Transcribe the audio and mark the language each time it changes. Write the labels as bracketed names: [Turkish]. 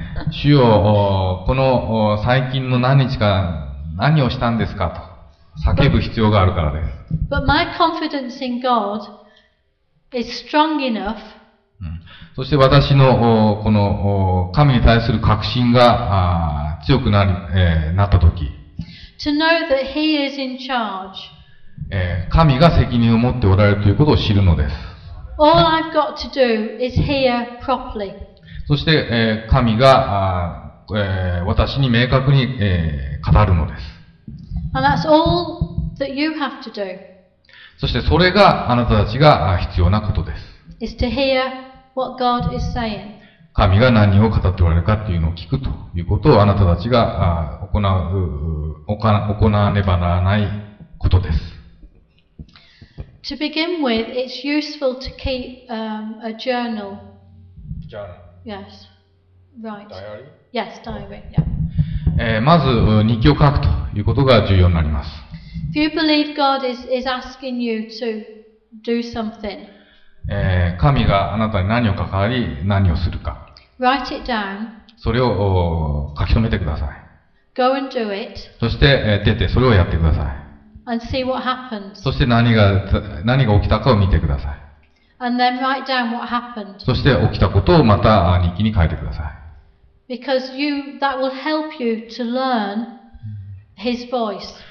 [Japanese] 主よ、この最近の何日か何をしたんですかと叫ぶ必要があるからです。 [English] But my confidence in God is strong enough. [Japanese] そして私のこの神に対する確信が強くなったとき。 [English] To know that he is in charge. [Japanese] 神が責任を持っておられるということを知るのです。 [English] All I've got to do is hear properly. [Japanese] そして、神が、私に明確に、語るのです。 [English] And that's all that you have to do. [Japanese] そしてそれがあなたたちが必要なことです。 [English] Is to hear what God is saying. [Japanese] 神が何を語っておられるかというのを聞くということをあなたたちが行わねばならないことです。 [English] To begin with, it's useful to keep a journal. Journal. Yes. Right. Diary. Yes, diary. Yeah. [Japanese] まず日記を書くということが重要になります。 [English] If you believe God is asking you to do something, [Japanese] 神があなたに何を関わり何をするか。 [English] Write it down. [Japanese] それを書き留めてください。 [English] Go and do it. [Japanese] そして出てそれをやってください。 [English] And see what happens. [Japanese] そして何が起きたかを見てください。 [English] And then write down what happened. [Japanese] そして起きたことをまた日記に書いてください。 [English] Because you, that will help you to learn his voice.